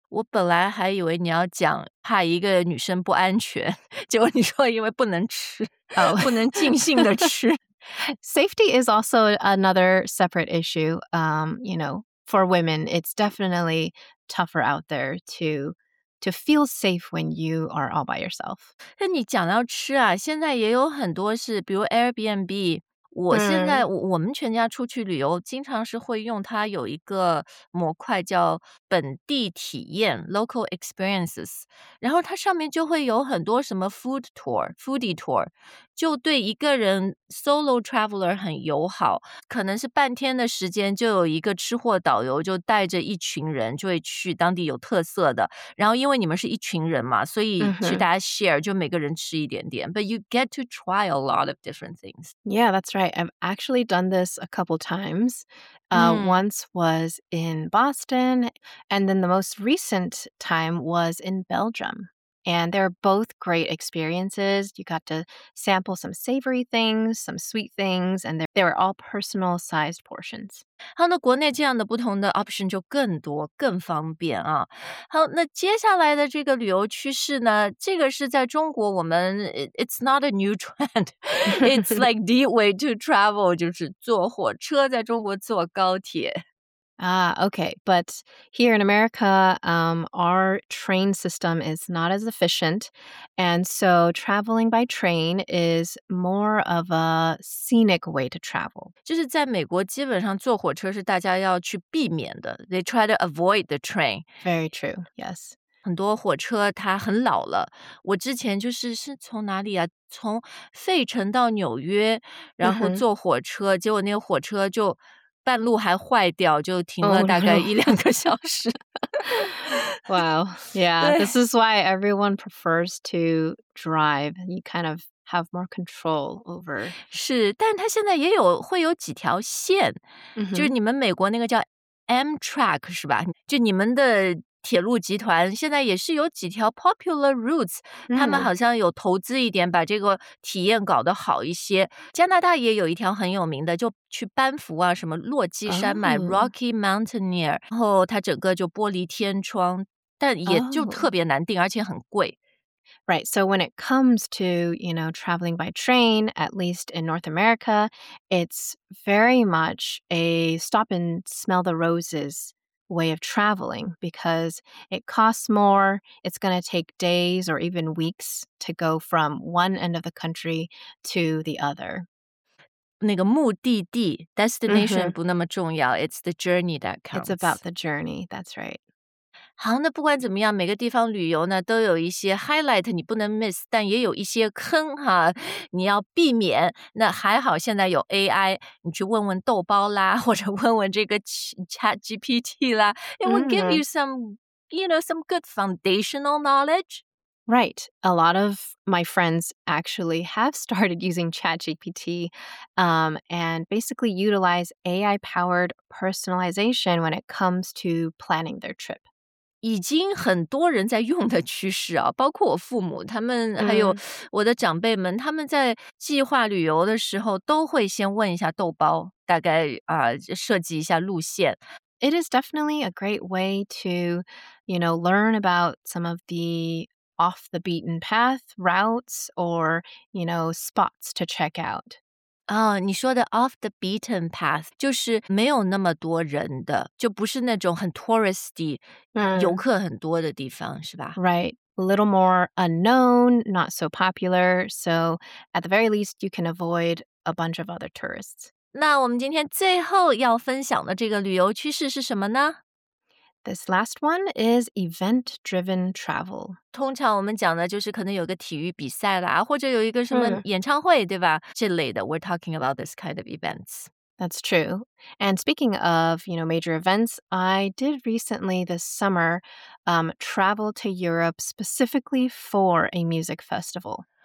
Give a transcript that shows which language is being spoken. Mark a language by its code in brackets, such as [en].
[zh] 我本来还以为你要讲怕一个女生不安全，结果你说因为不能吃、oh. 不能尽兴的吃。 [en] Safety is also another separate issue. You know, for women, it's definitely tougher out there to feel safe when you are all by yourself. [zh] 那你讲到吃啊，现在也有很多是比如 Airbnb, 我现在、我们全家出去旅游经常是会用它有一个模块叫本地体验 Local Experiences, 然后它上面就会有很多什么 [en] food tour, foodie tour, [zh] 就对一个人 solo traveler 很友好，可能是半天的时间就有一个吃货导游就带着一群人就会去当地有特色的，然后因为你们是一群人嘛，所以去大家 share、就每个人吃一点点。 [en] But you get to try a lot of different things. Yeah, that's right. I've actually done this a couple times. Once was in Boston, and then the most recent time was in Belgium. And they're both great experiences. You got to sample some savory things, some sweet things, and they were all personal sized portions. [zh] 好，那国内这样的不同的 option 就更多，更方便啊。好，那接下来的这个旅游趋势呢，这个是在中国我们 [en] it's not a new trend. It's like the way to travel, [zh] 就是坐火车，在中国坐高铁。 [en] Ah, okay. But here in America, our train system is not as efficient. And so traveling by train is more of a scenic way to travel. [zh] 就是在美国基本上坐火车是大家要去避免的。 [en] They try to avoid the train. Very true. Yes. [zh] 很多火车它很老了。我之前就是是从哪里啊？从费城到纽约，然后坐火车，mm-hmm. 结果那个火车就半路还坏掉，就停了大概一两个小时。 [en] Wow, yeah, this is why everyone prefers to drive. You kind of have more control over. [zh] 是，但它现在也有会有几条线， mm-hmm. 就是你们美国那个叫 Amtrak 是吧？就你们的铁路集团现在也是有几条 [en] popular routes， [zh] 他们好像有投资一点，把这个体验搞得好一些。加拿大也有一条很有名的，就去班夫啊，什么落基山脉 Rocky Mountaineer， 然后它整个就玻璃天窗，但也就特别难订，而且很贵。 [en] Right, so when it comes to, you know, traveling by train, at least in North America, it's very much a stop and smell the roses. Way of traveling because it costs more. It's going to take days or even weeks to go from one end of the country to the other. [zh] 那个目的地 [en] destination、mm-hmm. [zh] 不那么重要 [en] It's the journey that counts. It's about the journey. That's right. [zh] 好，那不管怎么样，每个地方旅游呢都有一些 highlight 你不能 miss， 但也有一些坑哈，你要避免。那还好现在有 AI， 你去问问豆包啦，或者问问这个 ChatGPT 啦 ， [en] it will give you some, you know, some good foundational knowledge. Right, a lot of my friends actually have started using ChatGPT, and basically utilize AI-powered personalization when it comes to planning their trip. [zh] 已经很多人在用的趋势啊，包括我父母，他们还有我的长辈们，他们在计划旅游的时候都会先问一下豆包，大概啊设计一下路线。 [en] It is definitely a great way to, you know, learn about some of the off the beaten path routes or, you know, spots to check out. [zh] 啊、oh, ，你说的 [en] off the beaten path [zh] 就是没有那么多人的，就不是那种很 touristy、游客很多的地方，是吧 [en] ？Right, a little more unknown, not so popular. So at the very least, you can avoid a bunch of other tourists. [zh] 那我们今天最后要分享的这个旅游趋势是什么呢？ [en] This last one is event-driven travel. [zh] 通常我们讲的就是可能有个体育比赛啦，或者有一个什么演唱会，对吧？这类的 [en] ，we're talking about this kind of events. That's true. And speaking of, you know, major events, I did recently this summer, travel to Europe specifically for a music festival.